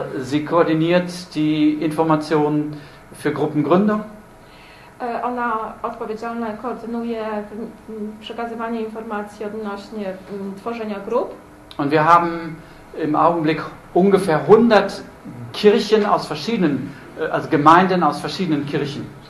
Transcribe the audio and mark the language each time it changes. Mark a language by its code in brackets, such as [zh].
[de] Sie koordiniert die Informationen für Gruppengründung. [pl] Ona odpowiedzialna koordynuje przekazywanie informacji odnośnie tworzenia grup. [de] Und wir haben im Augenblick ungefähr 100 Kirchen aus verschiedenen, also Gemeinden aus verschiedenen Kirchen.